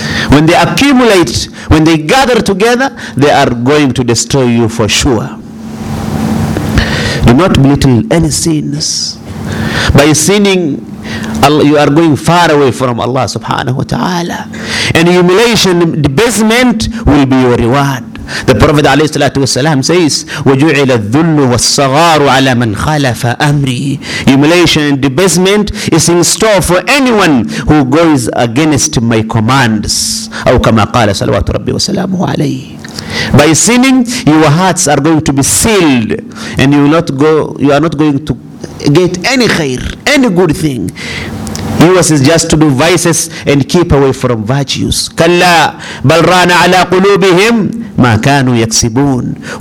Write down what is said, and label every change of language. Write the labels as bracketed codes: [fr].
[en] When they accumulate, when they gather together, they are going to destroy you for sure. Do not belittle any sins. By sinning, you are going far away from Allah subhanahu wa ta'ala. And humiliation, debasement will be your reward. The Prophet [ar] alayhi salatu wasalam [en] says, [ar] وَجُعِلَ الذُّلُّ وَالصَّغَارُ عَلَى مَنْ خَلَفَ أَمْرِي. [en] Humiliation and debasement is in store for anyone who goes against my commands. [ar] أو كما قال صلوات ربي وسلامه عليه. [en] By sinning, your hearts are going to be sealed and you are not going to get any khair, any good thing. Yours is just to do vices and keep away from virtues. [ar] كَلَّا بَلْ رَانَ عَلَى قُلُوبِهِمْ مَا كَانُوا يَكْسِبُونَ.